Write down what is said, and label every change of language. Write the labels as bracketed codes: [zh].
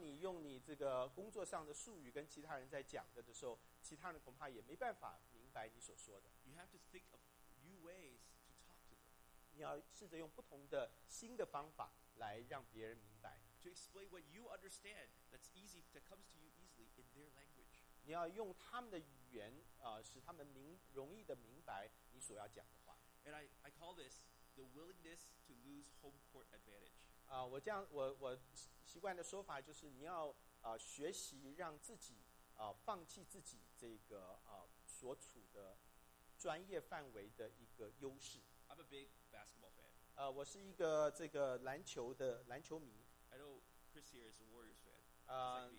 [zh] 你用你这个工作上的术语跟其他人在讲的时候，其他人恐怕也没办法明白你所说的。 [en] You have to think of new ways to talk to them. [zh] 你要试着用不同的新的方法来让别人明白。 [en] To explain what you understand that's easy that comes to you easily in their language. [zh] 你要用他们的语言使他们容易的明白你所要讲的话。 [en] And I call this the willingness to lose home court advantage. [zh] 我习惯的说法就是你要学习让自己放弃自己这个所处的专业范围的一个优势。 [en] I'm a big basketball fan. [zh] 我是一个这个篮球迷。 [en] I know Chris here is a Warriors fan.